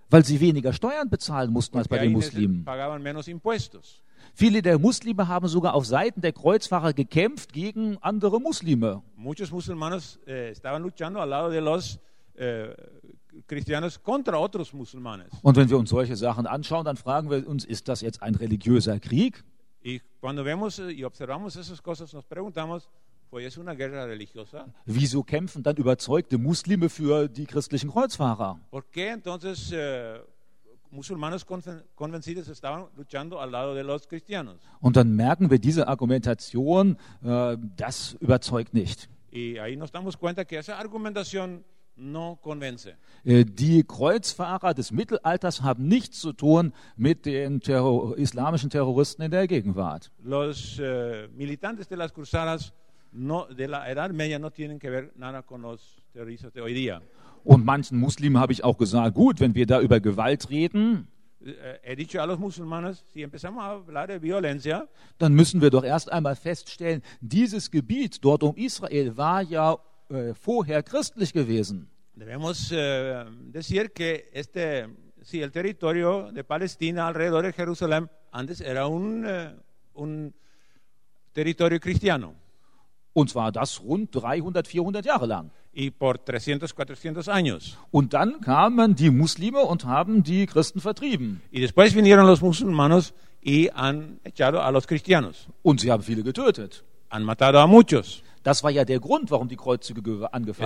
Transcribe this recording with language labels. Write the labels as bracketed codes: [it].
[de] Weil sie weniger Steuern bezahlen mussten als bei den Muslimen. [es] Pagaban menos impuestos. [de] Viele der Muslime haben sogar auf Seiten der Kreuzfahrer gekämpft gegen andere Muslime. [es] Muchos musulmanes estaban luchando al lado de los cristianos contra otros musulmanes. [de] Und wenn wir uns solche Sachen anschauen, dann fragen wir uns, ist das jetzt ein religiöser Krieg? [es] Y cuando vemos y observamos esas cosas, nos preguntamos, ¿fue es una guerra religiosa? [de] Wieso kämpfen dann überzeugte Muslime für die christlichen Kreuzfahrer? [es] ¿Por qué entonces musulmanes convencidos estaban luchando al lado de los cristianos? [de] Und dann merken wir diese Argumentation, das überzeugt nicht. [es] Y ahí nos damos cuenta que esa argumentación no convence. [de] Die Kreuzfahrer des Mittelalters haben nichts zu tun mit den islamischen Terroristen in der Gegenwart. [es] Los militantes de las cruzadas no, de la Edad Media no tienen que ver nada con los terroristas de hoy día. [de] Und manchen Muslimen habe ich auch gesagt, gut, wenn wir da über Gewalt reden, [es] he dicho a los musulmanes, si empezamos a hablar de violencia, [de] dann müssen wir doch erst einmal feststellen, dieses Gebiet dort um Israel war ja vorher christlich gewesen. [es] Debemos decir que este, si el territorio de Palestina alrededor de Jerusalén antes era un territorio cristiano. [de] Und zwar das rund 300, 400 Jahre lang. [es] Y por 300, 400 años. [de] Und dann kamen die Muslime und haben die Christen vertrieben. [es] Y después vinieron los musulmanos y han echado a los cristianos. [de] Und sie haben viele getötet. [es] Han matado a muchos. [de] Das war ja der Grund, warum die Kreuzzüge angefangen